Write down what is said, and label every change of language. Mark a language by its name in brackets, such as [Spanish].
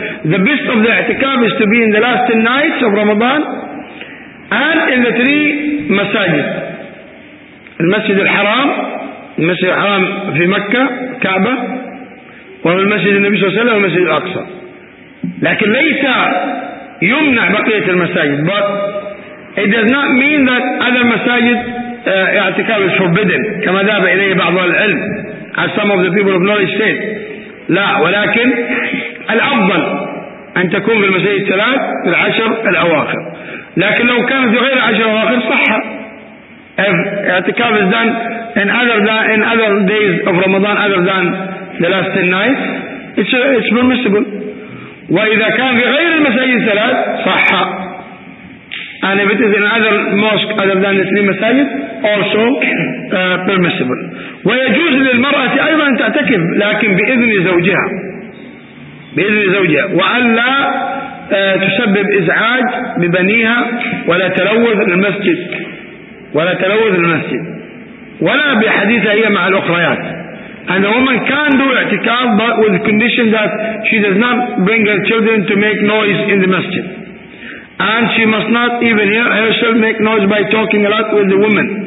[English] The best of the اعتكاف is to be in the last 10 nights of Ramadan and in the three [Arabic] مساجد، المسجد الحرام، المسجد الحرام في مكة كعبة، وفي المسجد النبي صلى الله عليه وسلم والمسجد الأقصى، لكن ليس يمنع بقية المساجد. [English] But it does not mean that other مساجد اعتكاف is forbidden [Arabic] كما ذهب إليه بعض العلم [English] as some of the people of knowledge said. [Arabic] لا، ولكن الأفضل أن تكون في المساجد الثلاث في العشر الأواخر، لكن لو كان في غير العشر الأواخر صح. [English] اعتكاف is done in other days of Ramadan other than the last 10 nights it's permissible. [Arabic] وإذا كان في غير المساجد الثلاث صح. [English] And if it is in other mosque other than the three masajid, also permissible. [Arabic] ويجوز للمرأة أيضا أن تعتكف لكن بإذن زوجها، بإذن زوجها، وألا تسبب إزعاج ببنيها ولا تلوث المسجد ولا تلوث المسجد ولا بحديثها هي مع الأخريات. [English] And the woman can do i'tikaf but with the condition that she does not bring her children to make noise in the masjid. And she must not even hear herself make noise by talking a lot with the woman.